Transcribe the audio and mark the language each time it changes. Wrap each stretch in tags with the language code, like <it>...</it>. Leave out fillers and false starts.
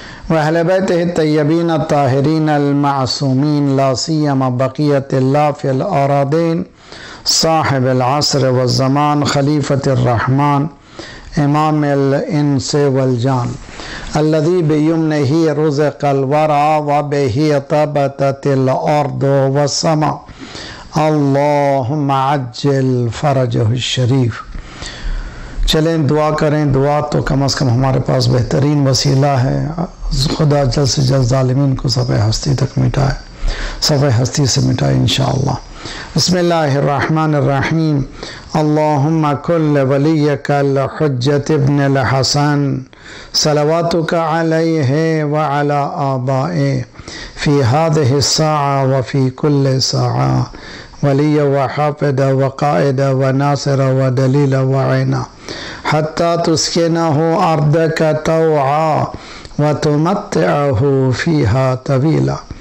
<ar>وأهل بيته الطيبين الطاهرين المعصومين لا سيما بقية الله في الأراضين صاحب العصر والزمان خليفة الرحمن إمام الإنس والجان الذي بيمنه رزق الورى وبه ثبتت الأرض والسماء اللهم عجل فرجه الشریف.</ar> <ur>چلیں دعا کریں. دعا تو کم از کم ہمارے پاس بہترین وسیلہ ہے. خدا جلد سے جلد ظالمین کو صفحہ ہستی تک مٹائے, صفحہ ہستی سے مٹائے انشاءاللہ.</ur> <ar>بسم اللہ الرحمن الرحیم. اللهم كل وليك الحجة ابن الحسن صلواتك عليه وعلى آبائه في هذه الساعة وفي كل ساعة ولي وحافظ وقائد وناصر ودليل وعينا حتى تسكنه أرضك طوعا وتمتعه فيها طويلا.</ar>